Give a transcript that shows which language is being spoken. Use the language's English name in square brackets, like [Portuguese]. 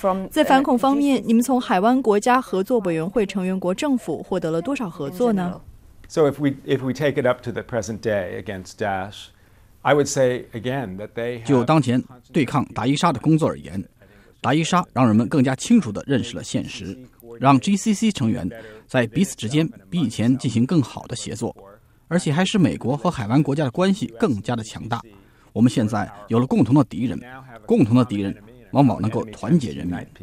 [Chinese] 在反恐方面，你们从海湾国家合作委员会成员国政府获得了多少合作呢？ [English] So if we take it up to the present day against Daesh, I would say again that they [Chinese] 就当前对抗达伊沙的工作而言，达伊沙让人们更加清楚地认识了现实，让 GCC 成员在彼此之间比以前进行更好的协作，而且还使美国和海湾国家的关系更加的强大。我们现在有了共同的敌人，共同的敌人往往能够团结人民。